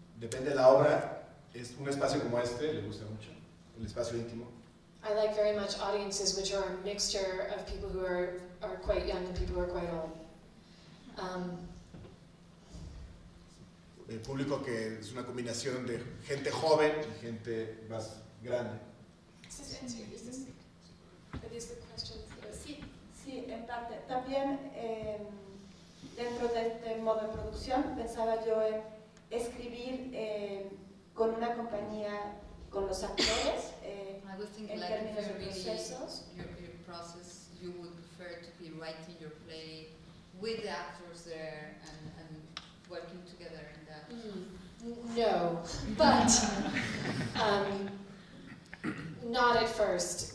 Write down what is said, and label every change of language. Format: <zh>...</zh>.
<es>Depende de la obra, es un espacio como este, le gusta mucho, el espacio íntimo.</es> <en>I like very much audiences which are a mixture of people who are quite young and people who are quite old.</en> <es>El público que es una combinación de gente joven y gente más grande. Sí, en parte. También dentro de este modo de producción pensaba yo en escribir con una compañía, con los actores,</es> <en>your process, you would prefer to be writing your play with the actors there and working together in that. No, but not at first.</en>